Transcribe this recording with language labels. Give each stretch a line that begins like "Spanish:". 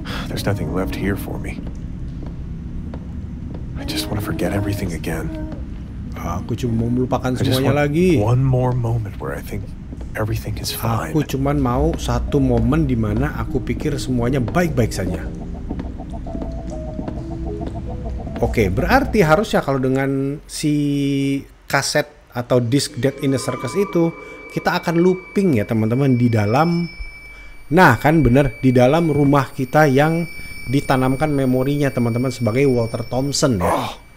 English: There's nothing left here for me. I just want to forget everything again.
Indonesian: Aku cuma mau melupakan semuanya lagi.
English: One more moment where I think everything is fine.
Indonesian: Aku cuma mau satu momen di mana aku pikir semuanya baik-baik saja. Oke, berarti harusnya kalau dengan si kaset atau disk Dead in the Circus itu, kita akan looping ya, teman-teman, di dalam, nah kan bener, di dalam rumah kita yang ditanamkan memorinya, teman-teman, sebagai Walter Thompson ya.